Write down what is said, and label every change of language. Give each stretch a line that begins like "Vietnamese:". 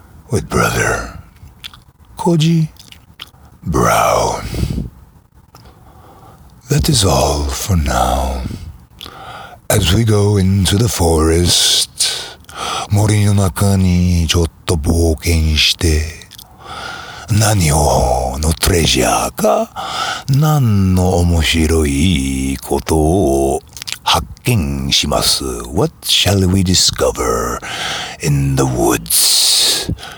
English: With brother Koji Brown. That is all for now. As we go into the forest,
Japanese: 森の中にちょっと冒険して、何をのトレジャーか、何の面白いことを発見します。
English: What shall we discover in the woods?